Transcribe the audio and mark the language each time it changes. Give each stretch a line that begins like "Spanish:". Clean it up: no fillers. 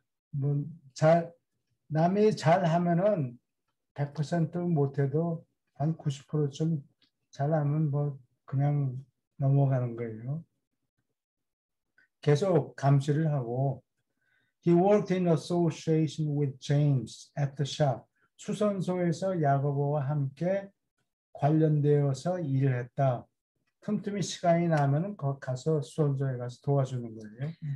Korean: 뭐 잘 남이 잘 하면은 100% 못해도 한 90%쯤 잘하면 뭐 그냥 넘어가는 거예요. 계속 감시를 하고.
English: He worked in association with James at the shop.
Korean: 수선소에서 야고보와 함께 관련되어서 일을 했다. 틈틈이 시간이 나면은 거기 가서 수선소에 가서 도와주는 거예요.